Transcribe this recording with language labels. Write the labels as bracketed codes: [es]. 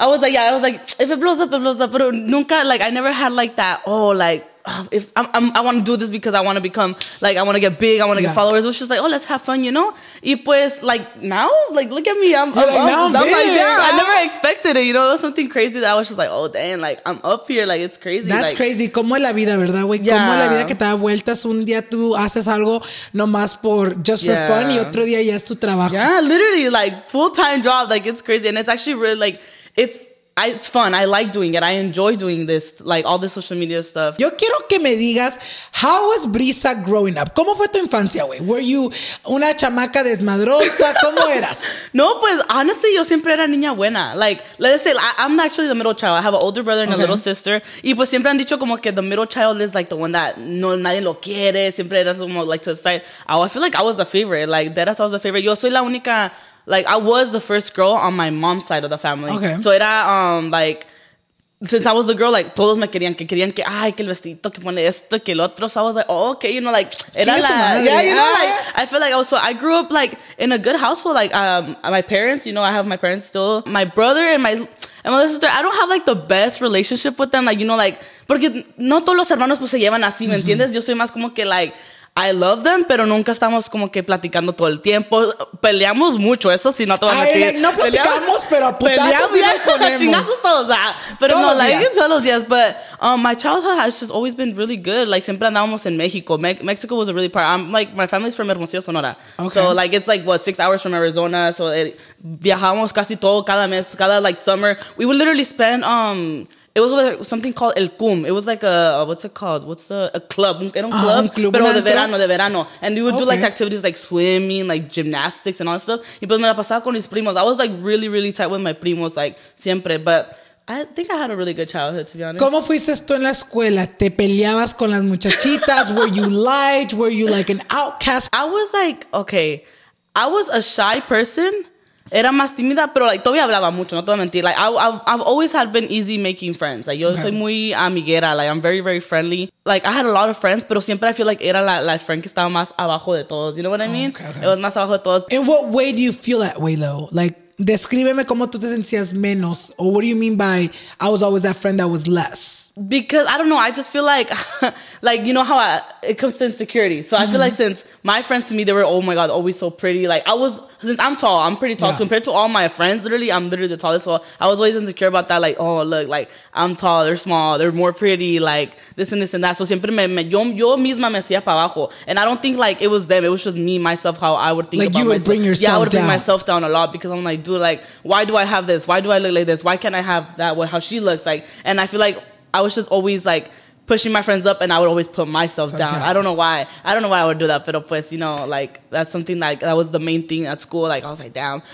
[en] I was like, yeah, I was like, if it blows up, it blows up. [es] Pero nunca, [en] like, I never had like that, oh, like, if I want to do this because I want to become, like, I want to get big, I want to get followers. It was just like, oh, let's have fun, you know? [es] Y pues, [en] like, now, like, look at me. I'm big, like, yeah. I never expected it, you know? It was something crazy that I was just like, oh, dang, like, I'm up here. Like, it's crazy. That's like, crazy. [es] Como la vida, ¿verdad, güey? Yeah. Como la vida que te da vueltas. Un día tú haces algo nomás por, [en] just for fun, [es] y otro día ya es tu trabajo. [en] Yeah, literally, like, full-time job. Like, it's crazy. And it's actually really, like, it's fun. I like doing it. I enjoy doing this, like all the social media stuff. [es] Yo quiero que me digas, [en] how was Brissa growing up? [es] ¿Cómo fue tu infancia, güey? [en] Were you [es] una chamaca desmadrosa? ¿Cómo eras? No, pues [en] honestly, [es] yo siempre era niña buena. [en] Like, let's say, I'm actually the middle child. I have an older brother and a little sister. [es] Y pues siempre han dicho como que [en] the middle child is like the one that [es] no nadie lo quiere. Siempre eras como like to the side. Oh, I feel like I was the favorite. Like, deadass, I was the favorite. Yo soy la única. [en] Like, I was the first girl on my mom's side of the family. Okay. So, era, like, since I was the girl, like, [es] todos me querían. Que querían que, ay, que el vestidito, que pone esto, que el otro. [en] So, I was like, oh, okay, you know, like, era [es] la... [en] Yeah, you know, like, I feel like I was... So, I grew up, like, in a good household. Like, my parents, you know, I have my parents still. My brother and my sister, I don't have, like, the best relationship with them. Like, you know, like, [es] porque no todos los hermanos, pues, se llevan así, ¿me entiendes? Yo soy más como que, like... [en] I love them, [es] pero nunca estamos como que platicando todo el tiempo. Peleamos mucho, eso sí, no te voy a mentir. No platicamos, peleamos, pero putazos peleamos y nos ponemos. Chingazos todos, ah. Pero todos no, los like, días. Todos los días. [en] But my childhood has just always been really good. Like, [es] siempre andábamos en México. [en] Mexico was a really part. I'm like, my family's from Hermosillo, Sonora. Okay. So, like, it's like, what, 6 hours from Arizona. So, [es] viajamos casi todo cada mes, cada, [en] like, summer. We would literally spend... It was something called El Cum. It was like a, what's it called? What's the, a club. [es] Era un club. Pero de verano, de verano. [en] And we would do like activities like swimming, like gymnastics and all that stuff. [es] Y pues me la pasaba con mis primos. [en] I was like really, really tight with my primos, like siempre. But I think I had a really good childhood, to be honest. [es] ¿Cómo fuiste tú en la escuela? ¿Te peleabas con las muchachitas? [en] Were you liked? Were you like an outcast? I was like, okay. I was a shy person. [es] Era más tímida, pero, like, todavía hablaba mucho, no te voy a mentir. [en] Like, I've always had been easy making friends. Like, [es] yo soy muy amiguera. [en] Like, I'm very, very friendly. Like, I had a lot of friends, [es] pero siempre [en] I feel like [es] era la [en] friend [es] que estaba más abajo de todos. [en] You know what I mean? Okay. It was [es] más abajo de todos. [en] In what way do you feel that way, though? Like, [es] descríbeme cómo tú te sentías menos. [en] Or what do you mean by I was always that friend that was less? Because, I don't know, I just feel like, like, you know how it comes to insecurity. So, I feel like since my friends to me, they were, oh my God, always so pretty. Like, I was, since I'm tall, I'm pretty tall. Yeah. Compared to all my friends, literally, I'm literally the tallest. So, I was always insecure about that. Like, oh, look, like, I'm tall, they're small, they're more pretty, like, this and this and that. So, [es] siempre yo misma me hacía para abajo. [en] And I don't think, like, it was them. It was just me, myself, how I would think like about myself. Like, you would myself. Bring yourself down. Yeah, I would bring myself down a lot because I'm like, dude, like, why do I have this? Why do I look like this? Why can't I have that? What, how she looks like? And I feel like... I was just always, like, pushing my friends up, and I would always put myself down. I don't know why. I don't know why I would do that, [es] pero pues, [en] you know, like, that's something, like, that was the main thing at school. Like, I was like, damn.